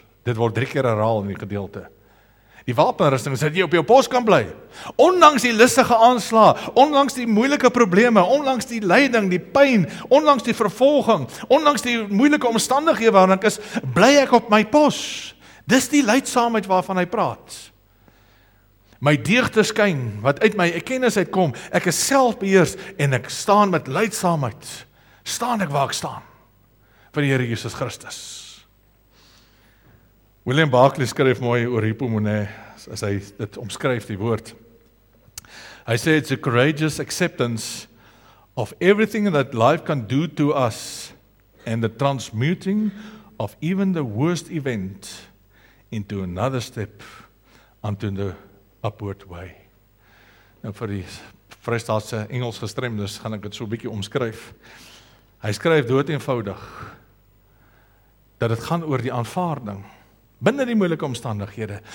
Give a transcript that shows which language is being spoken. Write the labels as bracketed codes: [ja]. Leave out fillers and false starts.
[af] Dit word 3 keer herhaal in die gedeelte. Die wapenrusting is dat jy op jou pos kan bly. Ondanks die listige aanslaa, ondanks die moeilike probleme, ondanks die lyding, die pyn, ondanks die vervolging, ondanks die moeilike omstandighede waarin ek is, bly ek op my pos. Dis die leidsaamheid waarvan hy praat. My deugde skyn, wat uit my erkenning uitkom, ek is selfbeheers en ek staan met leidsaamheid. Staan ek waar ek staan? Vir die Here Jesus Christus. William Barclay skryf mooi oor hypomone, as hy dit omskryf, die woord. Hy sê, [en] it's a courageous acceptance of everything that life can do to us and the transmuting of even the worst event into another step onto the upward way. [af] Nou vir die Vrystaatse Engels gestremdes gaan ek dit so 'n bietjie omskryf. Hy skryf dood eenvoudig dat dit gaan oor die aanvaarding binne die moeilike omstandighede.